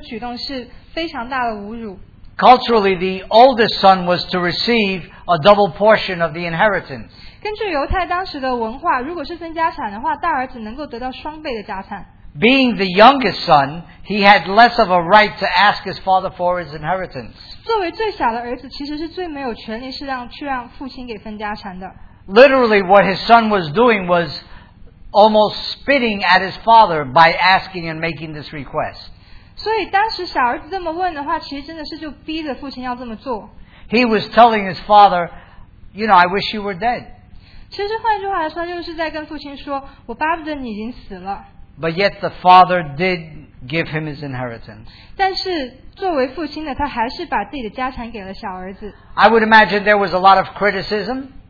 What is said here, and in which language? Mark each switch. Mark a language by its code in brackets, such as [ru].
[zh] 如果我们以当时的社会背景去看的话，小儿子跟父亲说把家产分了，这样一个举动是非常大的侮辱。 [en] Culturally, the oldest son was to receive a double portion of the inheritance. [zh] 根据犹太当时的文化，如果是分家产的话，大儿子能够得到双倍的家产。 [en] Being the youngest son, he had less of a right to ask his father for his inheritance. [zh] 作为最小的儿子，其实是最没有权利去让父亲给分家产的。 [en] Literally, what his son was doing was almost spitting at his father by asking and making this request. [zh] 所以当时小儿子这么问的话，其实真的是就逼着父亲要这么做。 [en] He was telling his father, "You know, I wish you were dead." [zh] 其实换句话来说，就是在跟父亲说，我巴不得你已经死了。 [en] But yet the father did give him his inheritance. [zh] 但是作为父亲的他还是把自己的家产给了小儿子。 [en] I would imagine there was a lot of criticism.